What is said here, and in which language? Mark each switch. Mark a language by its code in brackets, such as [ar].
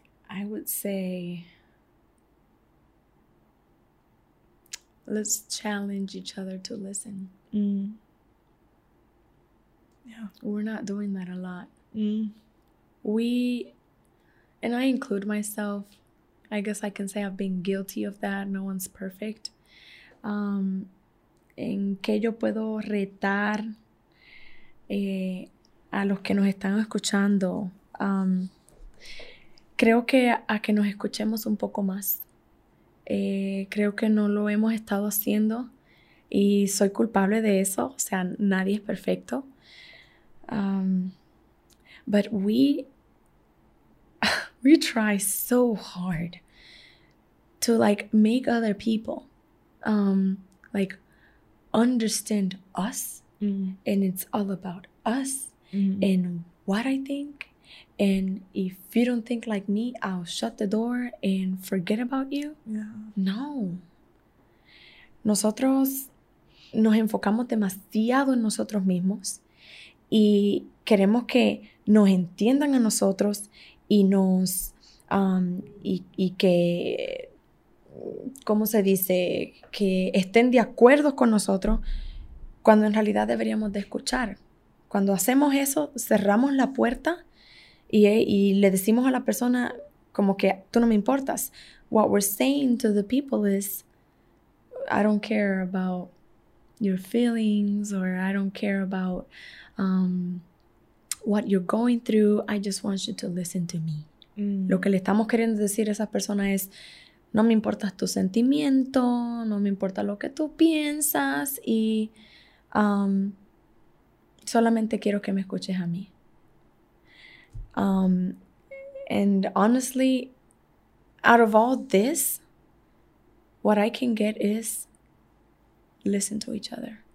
[en] I would say let's challenge each other to listen. Mm. Yeah. We're not doing that a lot. Mm. We, and I include myself, I guess I can say I've been guilty of that. No one's perfect. [es] ¿En qué yo puedo retar a los que nos están escuchando? Creo que a que nos escuchemos un poco más. Creo que no lo hemos estado haciendo y soy culpable de eso. O sea, nadie es perfecto. [en] But we try so hard to like make other people like understand us. Mm. And it's all about us. Mm. And what I think. And if you don't think like me, I'll shut the door and forget about you. Yeah. No. [es] Nosotros nos enfocamos demasiado en nosotros mismos y queremos que nos entiendan a nosotros y nos y que, ¿cómo se dice? Que estén de acuerdo con nosotros cuando en realidad deberíamos de escuchar. Cuando hacemos eso, cerramos la puerta y le decimos a la persona como que tú no me importas. [en] What we're saying to the people is, I don't care about your feelings or I don't care about what you're going through. I just want you to listen to me. Mm. [es] Lo que le estamos queriendo decir a esa persona es, no me importas tu sentimiento, no me importa lo que tú piensas y solamente quiero que me escuches a mí. [en] And honestly, out of all this, what I can get is listen to each other.